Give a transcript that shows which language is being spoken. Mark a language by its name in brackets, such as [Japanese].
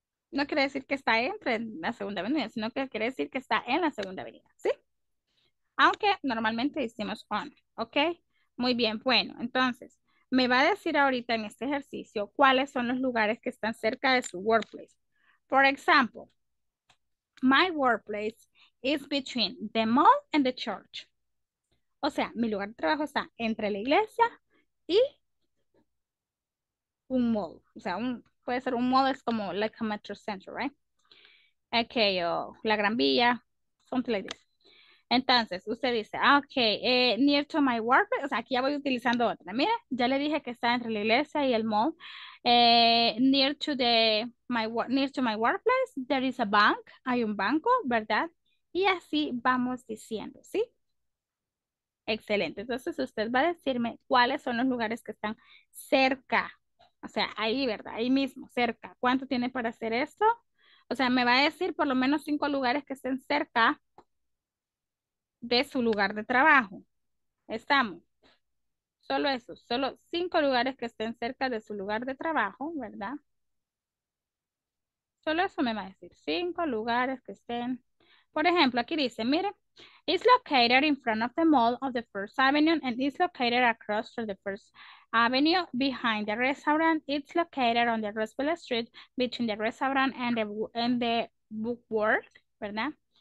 [Spanish] No quiere decir que está entre la segunda avenida, sino que quiere decir que está en la segunda avenida, ¿sí? Aunque normalmente decimos on, ¿ok? Muy bien, bueno, entonces, me va a decir ahorita en este ejercicio cuáles son los lugares que están cerca de su workplace. [English] For example, my workplace is between the mall and the church. [Spanish] O sea, mi lugar de trabajo está entre la iglesia y un mall. O sea, puede ser un mall, es como [English] like a metro center, right? [Spanish] Okay, o la Gran Vía, [English] something like this. [Spanish] Entonces, usted dice, ok, [English] near to my workplace, [Spanish] o sea, aquí ya voy utilizando otra. Mira, ya le dije que está entre la iglesia y el mall. [English] Near to my workplace, there is a bank, [Spanish] hay un banco, ¿verdad? Y así vamos diciendo, ¿sí? Excelente. Entonces, usted va a decirme cuáles son los lugares que están cerca. O sea, ahí, ¿verdad? Ahí mismo, cerca. ¿Cuánto tiene para hacer esto? O sea, me va a decir por lo menos 5 lugares que estén cerca de su lugar de trabajo. ¿Estamos? Solo eso, solo 5 lugares que estén cerca de su lugar de trabajo, ¿verdad? Solo eso me va a decir, 5 lugares que estén. Por ejemplo, aquí dice, mire, [English] it's located in front of the mall of the First Avenue and it's located across from the First Avenue behind the restaurant. It's located on the Roosevelt Street between the restaurant and the bookwork, ¿verdad?